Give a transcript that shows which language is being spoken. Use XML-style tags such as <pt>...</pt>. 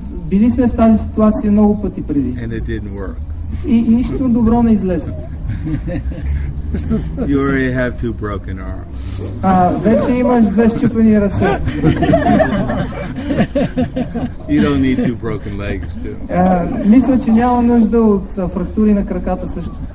<bg>Били сме в тази ситуация много пъти преди.</bg> <en>And it didn't work.</en> <bg>И нищо добро не излезе.</bg> <en>You already have 2 broken arms.</en> <bg>Вече имаш 2 счупени ръце.</bg> <en>You don't need 2 broken legs too.</en> <bg>Мисля, че няма нужда от фрактури на краката също.</bg>